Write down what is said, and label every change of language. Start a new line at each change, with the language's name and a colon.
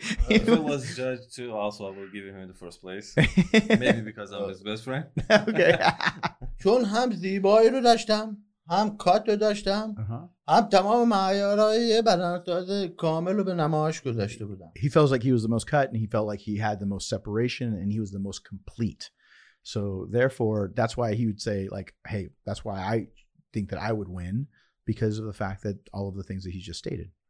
English: If he was a judge too, also I would give him the first place. Maybe because I'm his best friend. Okay.
Persian: چون هم زیبایی رو داشتم، هم کات رو داشتم، هم تمام معیارهای بدنساز کامل رو به نمایش گذاشته بودم.
English: He feels like he was the most cut, and he felt like he had the most separation, and he was the most complete. So therefore, that's why he would say, like, hey, that's why I think that I would win, because of the fact that all of the things that he just stated.